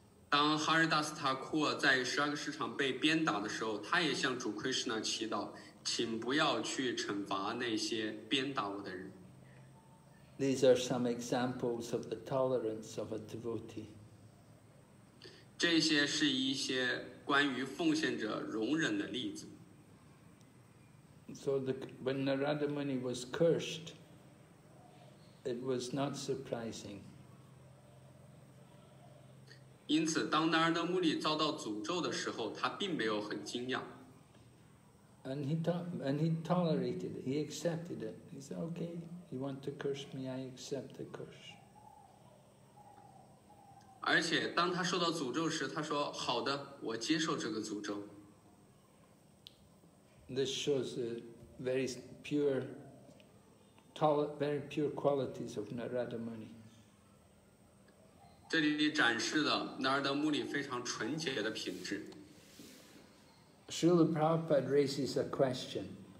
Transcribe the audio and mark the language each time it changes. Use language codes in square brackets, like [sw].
[zh] 当 Haridas Thakur 在十二个市场被鞭打的时候，他也向主 Krishna 祈祷，请不要去惩罚那些鞭打我的人。 [en] These are some examples of the tolerance of a devotee. [zh] 这些是一些关于奉献者容忍的例子。 [en] So when Narada Muni was cursed, it was not surprising. [zh] 因此，当 Narada Muni 遭到诅咒的时候，他并没有很惊讶。 [en] And he tolerated it. He accepted it. He said, "Okay, you want to curse me? I accept the curse." [zh] 而且，当他受到诅咒时，他说：“好的，我接受这个诅咒。” [en] This shows the very pure qualities of Narada Muni. [zh] 这里展示了 Narada Muni 非常纯洁的品质。 [en] Srila Prabhupada raises a question.